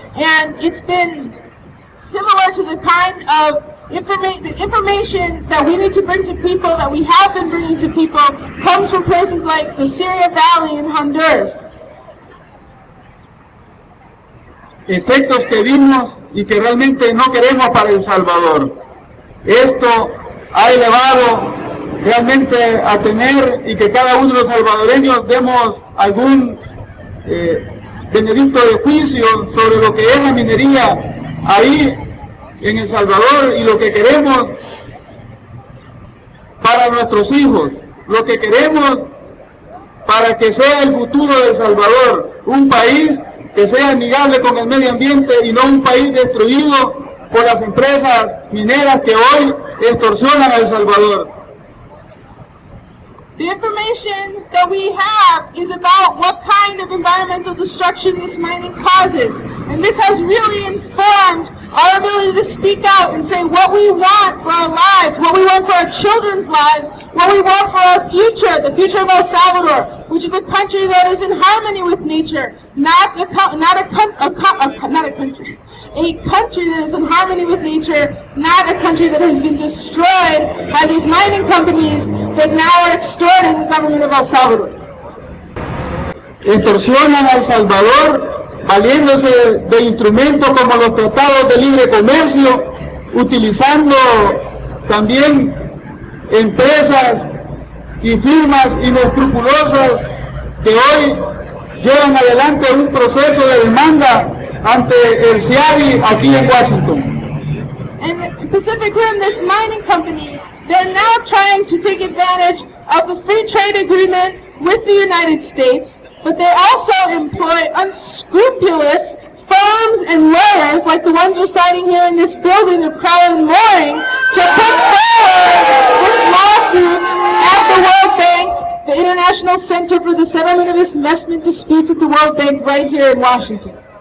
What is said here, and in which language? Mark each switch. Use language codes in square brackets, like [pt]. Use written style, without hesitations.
[en] And it's been similar to the kind of information that we need to bring to people, that we have been bringing to people, comes from places like the Syria Valley in Honduras. [es] Efectos que vimos y que realmente no queremos para El Salvador. Esto ha elevado realmente a tener y que cada uno de los salvadoreños demos algún benedicto de juicio sobre lo que es la minería ahí en El Salvador y lo que queremos para nuestros hijos, lo que queremos para que sea el futuro de El Salvador, un país que sea amigable con el medio ambiente y no un país destruido por las empresas mineras que hoy extorsionan a El Salvador. [en] The information that we have is about what kind of environmental destruction this mining causes. And this has really informed our ability to speak out and say what we want for our lives, what we want for our children's lives, what we want for our future, the future of El Salvador, which is a country that is in harmony with nature, a country that is in harmony with nature, not a country that has been destroyed by these mining companies that now are extorting the government of El Salvador. [es] Extorsionan a El Salvador valiéndose de instrumentos como los tratados de libre comercio, utilizando también empresas y firmas inescrupulosas que hoy llevan adelante un proceso de demanda ante el CIADI aquí en Washington. [en] En Pacific Rim, this mining company, they're now trying to take advantage of the free trade agreement with the United States, but they also employ unscrupulous firms and lawyers like the ones residing here in this building of Crowley & Loring to put forward this lawsuit at the World Bank, the International Center for the Settlement of Investment Disputes at the World Bank right here in Washington.